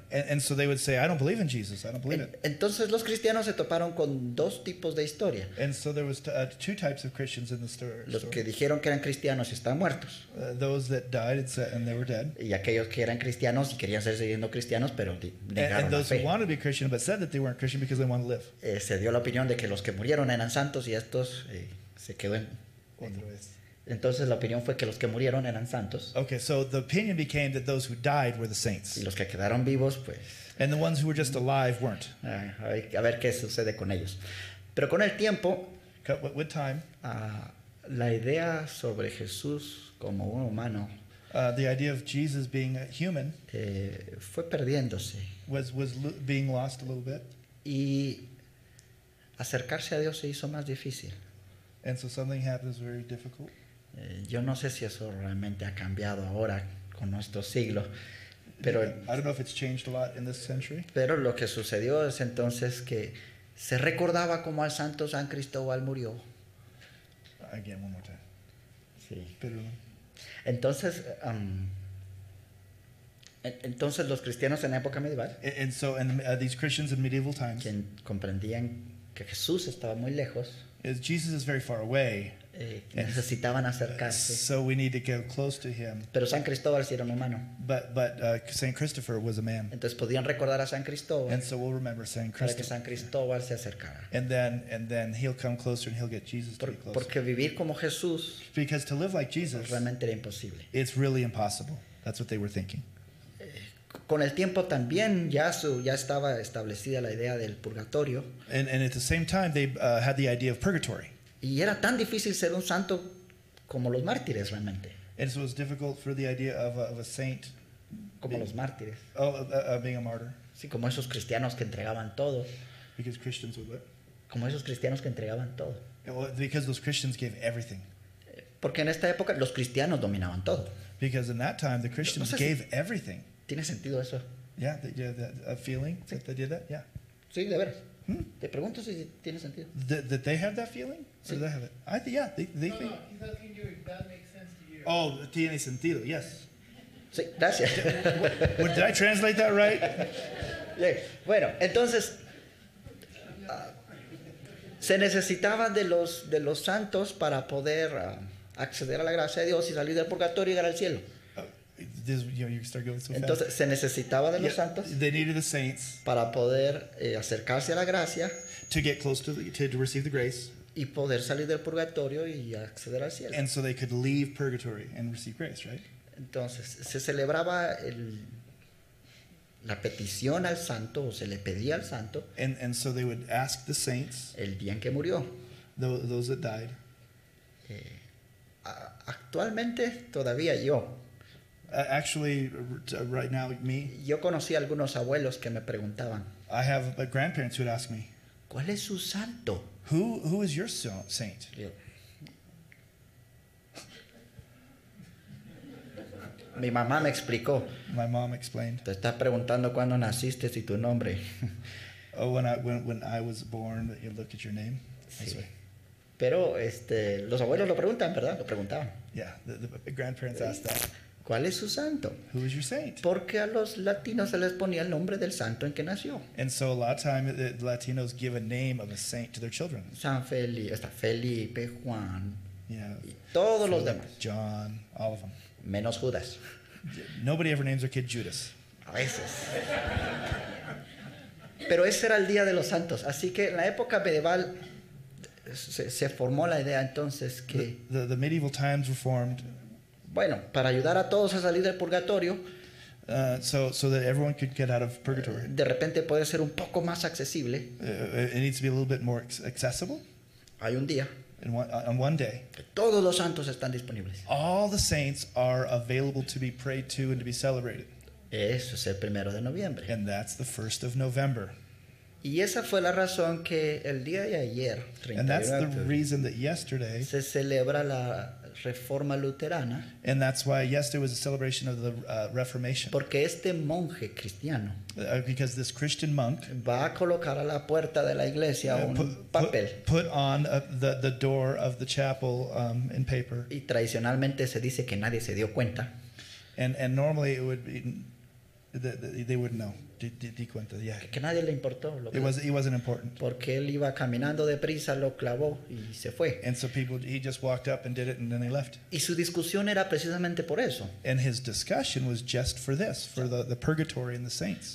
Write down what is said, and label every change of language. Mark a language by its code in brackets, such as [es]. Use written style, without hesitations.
[en] And so they would say, I don't believe in Jesus, I don't believe it. [es] Entonces los cristianos se toparon con dos tipos de historia. [en] And so there was two types of Christians in the story. [es] Los que dijeron que eran cristianos y están muertos. [en] Those that died and they were dead. [es] Y aquellos que eran cristianos y querían ser siguiendo cristianos, pero negaron la fe. [en] And those who wanted to be Christian but said that they weren't Christian because they wanted to live. [es] Se dio la opinión de que los que murieron eran santos y estos se quedaron. Otra vez. Entonces la opinión fue que los que murieron eran santos. [en] Okay, so the opinion became that those who died were the saints. [es] Y los que quedaron vivos, pues. [en] And the ones who were just alive weren't. [es] A ver qué sucede con ellos. Pero con el tiempo, [en] with time, [es] la idea sobre Jesús como un humano, [en] the idea of Jesus being a human, [es] fue perdiéndose. [en] Was being lost a little bit. [es] Y acercarse a Dios se hizo más difícil. [en] And so something happens very difficult. [es] Yo no sé si eso realmente ha cambiado ahora con nuestro siglo, pero [en] I don't know if it's changed a lot in this century. [es] Pero lo que sucedió es entonces que se recordaba como al santo San Cristóbal murió. [en] Again, one more time. [es] Sí. Pero entonces entonces los cristianos en época medieval, [en] these Christians in medieval times, [es] quien comprendían que Jesús estaba muy lejos, [en] Jesus is very far away. [es] Necesitaban acercarse. [en] So we need to go close to him. [es] Pero San Cristóbal sí era un humano. [en] But Saint Christopher was a man. [es] Entonces podían recordar a San Cristóbal. [en] And so we'll remember Saint Christopher. [es] Para que San Cristóbal se acercara. [en] And then he'll come closer and he'll get Jesus to be closer. [es] Porque vivir como Jesús. [en] Because to live like Jesus. [es] Realmente era imposible. [en] It's really impossible. That's what they were thinking. [es] Con el tiempo también ya estaba establecida la idea del purgatorio. [en] And at the same time they had the idea of purgatory. [es] Y era tan difícil ser un santo como los mártires realmente. [en] And so it was difficult for the idea of a saint [es] como los mártires. [en] Being a martyr. [es] Sí, como esos cristianos que entregaban todo. [en] Because Christians would what? [es] Como esos cristianos que entregaban todo. [en] Because those Christians gave everything. [es] Porque en esta época los cristianos dominaban todo. [en] Because in that time the Christians [es] no sé si [en] gave everything. [es] ¿Tiene sentido eso? [en] Yeah, the feeling [es] sí. [en] That they did that? Yeah. [es] Sí, de veras. Te pregunto si tiene sentido. [en] That they have that feeling? [es] Sí. [en] Or they have it? They [es] no, [en] think. No, he's asking you if that makes sense to you. [es] Oh, tiene sentido, [en] yes. [es] Sí, gracias. [en] Did I translate that right? Yeah. [es] Bueno, entonces, se necesitaba de los santos para poder acceder a la gracia de Dios y salir del purgatorio y llegar al cielo. Entonces se necesitaba de los santos. [en] They needed the saints [es] para poder acercarse a la gracia. [en] To get close to receive the grace. [es] Y poder salir del purgatorio y acceder al cielo. [en] And so they could leave purgatory and receive grace, right? [es] Entonces se celebraba la petición al santo o se le pedía al santo. [en] And so they would ask the saints. [es] El día en que murió. [en] Those that died. [es] Actualmente todavía yo. [en] Actually, right now, me. [es] Yo conocí a algunos abuelos que me preguntaban. [en] I have grandparents who would ask me. [es] ¿Cuál es su santo? [en] Who is your saint? [es] Mi mamá me explicó. [en] My mom explained. [es] Te estás preguntando cuándo naciste y tu nombre. [en] Oh, when I was born, you look at your name. [es] Sí. Pero los abuelos lo preguntan, ¿verdad? Lo preguntaban. [en] Yeah, the grandparents asked that. [es] ¿Cuál es su santo? [en] Who is your saint? [es] Porque a los latinos se les ponía el nombre del santo en que nació. [en] And so a lot of time the Latinos give a name of a saint to their children. [es] San Felipe, está Felipe, Juan. [en] Yeah. [es] Y todos Felipe, los demás. [en] John, all of them. [es] Menos Judas. [en] Nobody ever names their kid Judas. [es] A veces. Pero ese era el día de los santos, así que en la época medieval se formó la idea entonces que [en] the medieval times were formed. [es] Bueno, para ayudar a todos a salir del purgatorio, [en] So that everyone could get out of purgatory. [es] De repente puede ser un poco más accesible. [en] It needs to be a little bit more accessible. [es] Hay un día. [en] In one day. [es] Todos los santos están disponibles. [en] All the saints are available to be prayed to and to be celebrated. [es] Eso es el primero de noviembre. [en] And that's the 1st of November. [es] Y esa fue la razón que el día de ayer, 31, [en] and that's the reason that yesterday [es] se celebra la Reforma Luterana. [en] And that's why yesterday was a celebration of the Reformation. [es] Porque este monje cristiano [en] because this Christian monk [es] va a colocar a la puerta de la iglesia un papel. [en] Put on the door of the chapel in paper. [es] Y tradicionalmente se dice que nadie se dio cuenta. [en] And normally it would be they wouldn't know. [es] Di cuenta, [en] yeah. [es] Que nadie le importó. [en] It wasn't important. [es] Porque él iba caminando de prisa, lo clavó y se fue. [en] And so he just walked up and did it and then they left. [es] Y su discusión era precisamente por eso. [en] And his discussion was just for this, for the purgatory and the saints.